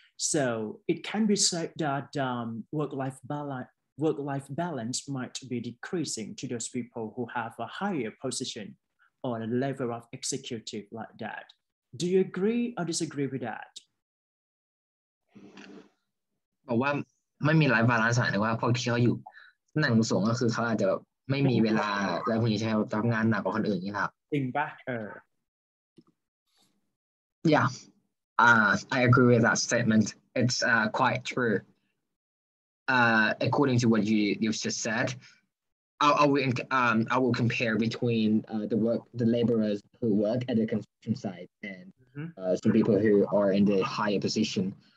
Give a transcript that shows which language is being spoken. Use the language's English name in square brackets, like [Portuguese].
[English] So it can be said that work-life balance might be decreasing to those people who have a higher position or a level of executive like that. Do you agree or disagree with that? [Thai] ว่าไม่มีไลฟ์บาลานซ์หมายถึงว่าพอที่เขาอยู่ตำแหน่งสูงก็คือเขาอาจจะไม่มีเวลาแล้วพวกนี้ใช่ทำงานหนักกว่าคนอื่นนี่ครับ จริงป่ะ [English] Yeah, I agree with that statement. It's quite true. According to what you've just said, I will compare between the laborers who work at the construction site and some people who are in the higher position.